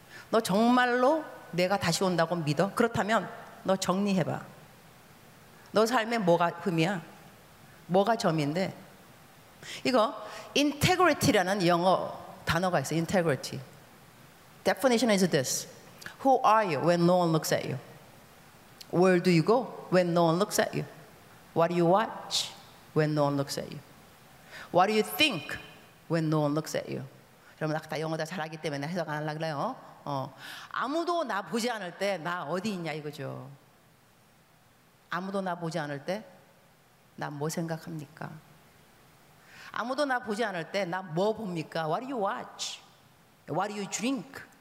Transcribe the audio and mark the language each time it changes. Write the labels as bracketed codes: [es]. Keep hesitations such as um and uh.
[ko] 너 정말로 내가 다시 온다고 믿어? 그렇다면 너 정리해 봐. 너 삶에 뭐가 흠이야? 뭐가 점인데? 이거 integrity라는 영어 단어가 있어요. [en] integrity. definition is this. Who are you when no one looks at you? Where do you go when no one looks at you? What do you watch when no one looks at you? What do you think when no one looks at you? [ko] 여러분 아까 다 영어 다 잘하기 때문에 해석 안 하려고 그래요. 어. 아무도 나 보지 않을 때 나 어디 있냐 이거죠. 아무도 나 보지 않을 때 나 뭐 생각합니까? 아무도 나 보지 않을 때 나 뭐 봅니까? [en] What do you watch? What do you drink?